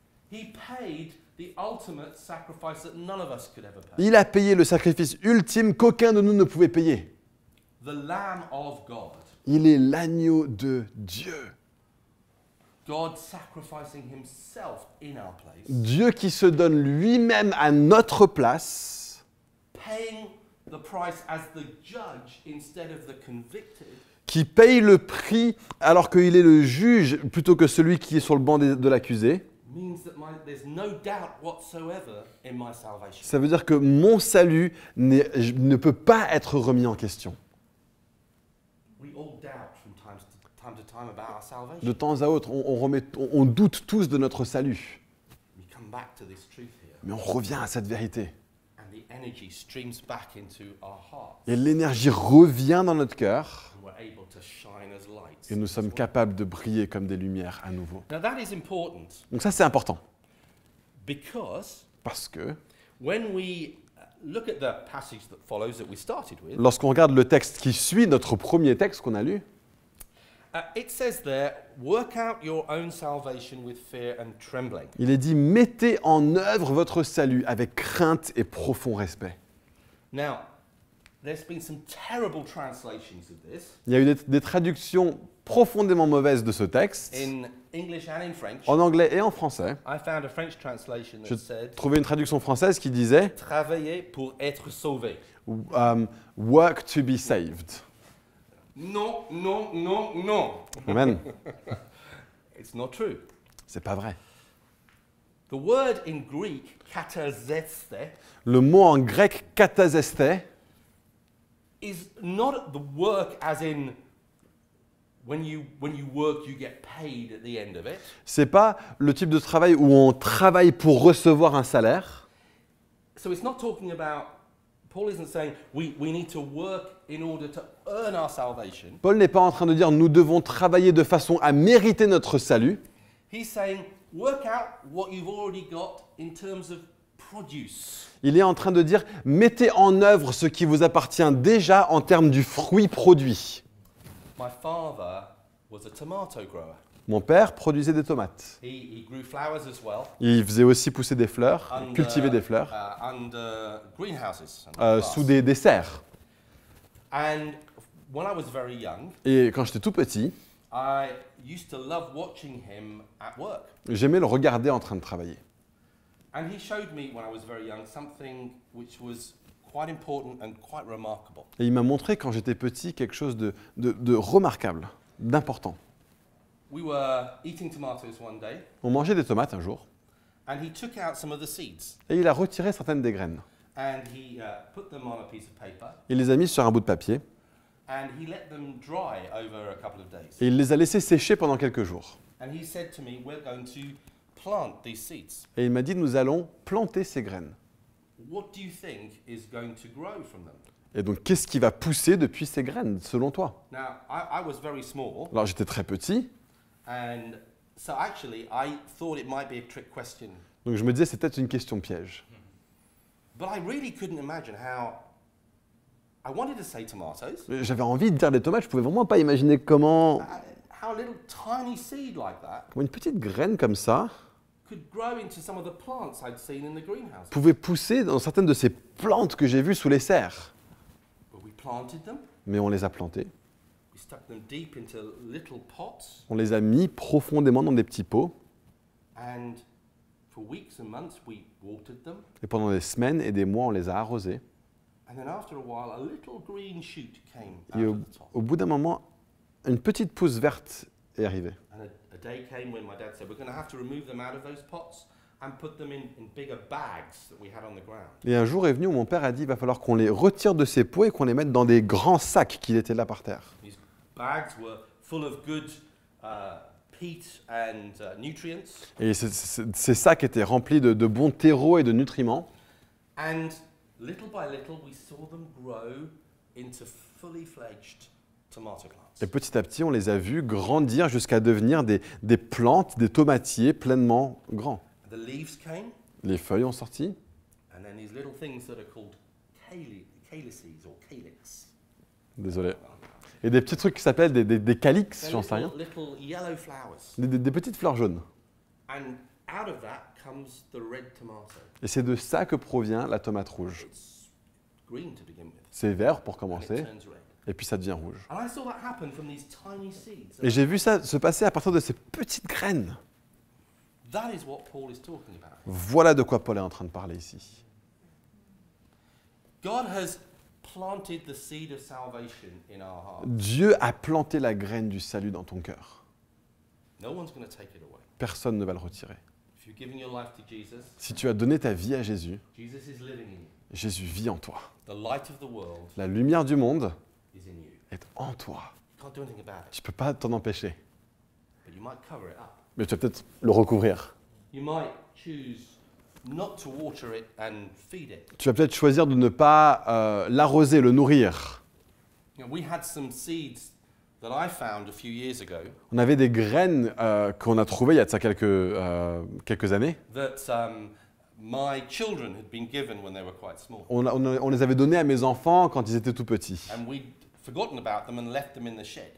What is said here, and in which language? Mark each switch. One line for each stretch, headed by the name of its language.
English: he paid the ultimate sacrifice that none of us could ever pay.
French: Il a payé le sacrifice ultime qu'aucun de nous ne pouvait payer.
English: The Lamb of God.
French: Il est l'agneau de Dieu.
English: God sacrificing himself in our place.
French: Dieu qui se donne lui-même à notre place.
English: Paying the price as the judge instead of the convicted.
French: Qui paye le prix alors qu'il est le juge plutôt que celui qui est sur le banc de l'accusé.
English: Means that there's no doubt whatsoever in my salvation.
French: Ça veut dire que mon salut ne peut pas être remis en question.
English: We all doubt from time to time to time about our salvation.
French: De temps à autre, on doute tous de notre salut.
English: We come back to this truth here.
French: Mais on revient à cette vérité.
English: And the energy streams back into our hearts.
French: Et l'énergie revient dans notre cœur.
English: We're able to shine as lights.
French: Et nous sommes capables de briller comme des lumières à nouveau.
English: Now that is important.
French: Donc ça, c'est important.
English: Because
French: parce que
English: when we look at the passage that follows that we started with,
French: lorsqu'on regarde le texte qui suit notre premier texte qu'on a lu,
English: it says there, work out your own salvation with fear and trembling.
French: Il est dit, mettez en œuvre votre salut avec crainte et profond respect.
English: Now, there's been some terrible translations of this.
French: Il y a eu des traductions profondément mauvaises de ce texte.
English: In English and in French,
French: en anglais et en français.
English: I found a French translation that said,
French: trouvé une traduction française qui disait travailler pour être sauvé.
English: Work to be saved.
French: Non, non, non, non.
English: Amen. It's not true.
French: C'est pas vrai.
English: The word in Greek katazeste.
French: Le mot en grec katazeste
English: is not the work as in when you work you get paid at the end of it.
French: C'est pas le type de travail où on travaille pour recevoir un salaire.
English: So it's not talking about Paul isn't saying we need to work in order to earn our salvation.
French: Paul n'est pas en train de dire nous devons travailler de façon à mériter notre salut.
English: He's saying work out what you've already got in terms of produce.
French: Il est en train de dire mettez en œuvre ce qui vous appartient déjà en termes du fruit produit.
English: My father was a tomato grower.
French: Mon père produisait des tomates.
English: He grew flowers as well.
French: Il faisait aussi pousser des fleurs, cultiver des fleurs,
English: greenhouses,
French: sous des serres.
English: And when I was very young,
French: et quand j'étais tout petit,
English: I used to love watching him at work.
French: J'aimais le regarder en train de travailler.
English: And he showed me when I was very young something which was quite important and quite remarkable.
French: Et il m'a montré quand j'étais petit quelque chose de remarquable, d'important.
English: We were eating tomatoes one day.
French: On mangeait des tomates un jour.
English: And he took out some of the seeds.
French: Et il a retiré certaines des graines.
English: And he put them on a piece of paper.
French: Il les a mis sur un bout de papier.
English: And he let them dry over a couple of days.
French: Et il les a laissés sécher pendant quelques jours.
English: And he said to me, we're going to plant these seeds.
French: Et il m'a dit, nous allons planter ces graines.
English: What do you think is going to grow from them?
French: Et donc, qu'est-ce qui va pousser depuis ces graines, selon toi?
English: Now, I was very small.
French: Alors, j'étais très petit.
English: And so actually, I thought it might be a trick question.
French: Donc je me disais c'est peut-être une question piège.
English: But I really couldn't imagine how I wanted to say tomatoes.
French: J'avais envie de dire des tomates. Je pouvais vraiment pas imaginer comment.
English: How a little tiny seed like that.
French: Comment une petite graine comme ça.
English: Could grow into some of the plants I'd seen in the greenhouse.
French: Pouvait pousser dans certaines de ces plantes que j'ai vues sous les serres.
English: But we planted them.
French: Mais on les a plantées.
English: Stuck them deep into little pots.
French: On les a mis profondément dans des petits pots.
English: And for weeks and months we watered them.
French: Et pendant des semaines et des mois, on les a arrosés.
English: And then after a while, a little green shoot came out of the top.
French: Au bout d'un moment, une petite pousse verte est arrivée.
English: And a day came when my dad said, we're going to have to remove them out of those pots and put them in bigger bags that we had on the ground.
French: Et un jour est venu où mon père a dit, il va falloir qu'on les retire de ces pots et qu'on les mette dans des grands sacs qui étaient là par terre.
English: Bags were full of good peat and nutrients.
French: Et ces sacs étaient remplis de bons terreaux et de nutriments.
English: And little by little, we saw them grow into fully fledged tomato plants.
French: Et petit à petit, on les a vus grandir jusqu'à devenir des plantes, des tomatiers pleinement grands.
English: And the leaves came.
French: Les feuilles ont sorti.
English: And then these little things that are called calyces or calyx.
French: Désolé. Et des petits trucs qui s'appellent des calyx, j'en sais rien. Des petites fleurs jaunes.
English: And out of that comes the red tomato.
French: Et c'est de ça que provient la tomate rouge.
English: It's green to begin with.
French: C'est vert pour commencer.
English: And it turns red.
French: Et puis ça devient rouge.
English: And I saw that happen from these tiny seeds.
French: Et j'ai vu ça se passer à partir de ces petites graines.
English: That is what Paul is talking about.
French: Voilà de quoi Paul est en train de parler ici.
English: God has planted the seed of salvation in our hearts.
French: Dieu a planté la graine du salut dans ton cœur.
English: No one's going to take it away.
French: Personne ne va le retirer.
English: If you've given your life to Jesus,
French: si tu as donné ta vie à Jésus,
English: Jesus is living in you.
French: Jésus vit en toi.
English: The light of the world,
French: la lumière du monde
English: is in you.
French: Est en toi.
English: You can't anything about it.
French: Tu ne peux pas t'en empêcher.
English: But you might cover it up.
French: Mais tu peux peut-être le recouvrir.
English: You might choose not to water it and feed it.
French: Tu vas peut-être choisir de ne pas l'arroser, le nourrir.
English: You know, we had some seeds that I found a few years ago.
French: On avait des graines qu'on a trouvées il y a de ça quelques années.
English: That my children had been given when they were quite small.
French: On les avait données à mes enfants quand ils étaient tout petits.
English: And we'd forgotten about them and left them in the shed.